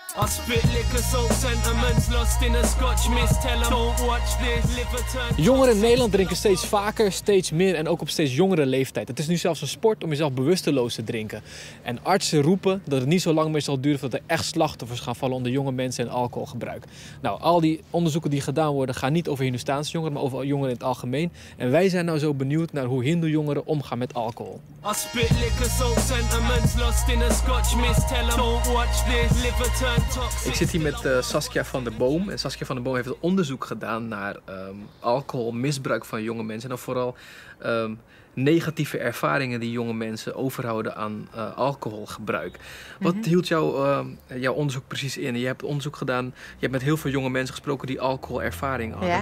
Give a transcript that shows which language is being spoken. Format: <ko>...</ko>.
<en>spit liquor, salt sentiments, lost in a scotch mist. Tell them, don't watch this, liver turn.</en> <nl>Jongeren in Nederland drinken steeds vaker, steeds meer en ook op steeds jongere leeftijd. Het is nu zelfs een sport om jezelf bewusteloos te drinken. En artsen roepen dat het niet zo lang meer zal duren voordat er echt slachtoffers gaan vallen onder jonge mensen en alcoholgebruik. Nou, al die onderzoeken die gedaan worden gaan niet over Hindoestaanse jongeren, maar over jongeren in het algemeen. En wij zijn nou zo benieuwd naar hoe Hindoe jongeren omgaan met alcohol.</nl> <en>I spit liquor, salt sentiments, lost in a scotch mist. Tell them, don't watch this, liver turn toxic.</en> <nl>Ik zit hier met Saskia van der Boom. En Saskia van der Boom heeft onderzoek gedaan naar alcoholmisbruik van jonge mensen. En dan vooral negatieve ervaringen die jonge mensen overhouden aan alcoholgebruik. Wat hield jouw onderzoek precies in? Je hebt onderzoek gedaan, je hebt met heel veel jonge mensen gesproken die alcoholervaring hadden. Ja.</nl>